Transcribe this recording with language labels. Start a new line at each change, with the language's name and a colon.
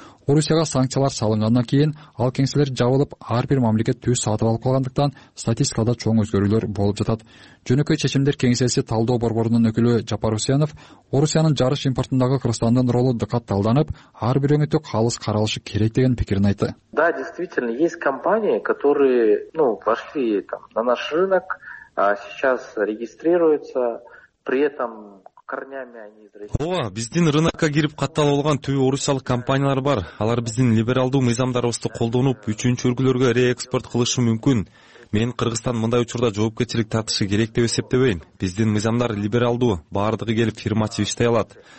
Kyrgyz: Орусияга санкциялар салынгандан кийин ал кеңселер жабылып, ар бир мамлекет түз сатып алып калгандыктан статистикада чоң өзгөрүүлөр болуп жатат. Жөнөкөй чечимдер кеңсеси талдоо борборунун өкүлү Жапар Усянов Орусиянын жарыш импортундагы Кыргызстандын ролу дыкат талданып, ар бир өңүтү калыс каралышы керек деген пикирин айтты.
Russian: Да, действительно, есть компании, которые, ну, вошли там на наш рынок, а сейчас регистрируются, при этом
Kyrgyz: Ооба, биздин рынокко кирип катталып алган түбү орусиялык компаниялар бар. Алар биздин либералдуу мыйзамдарыбызды колдонуп, үчүнчү өлкөлөргө реэкспорт кылышы мүмкүн. Мен Кыргызстан мындай учурда жоопкерчилик тартышы керек деп эсептебейм. Биздин мыйзамдар либералдуу, баардыгы келип фирматив иштей алат.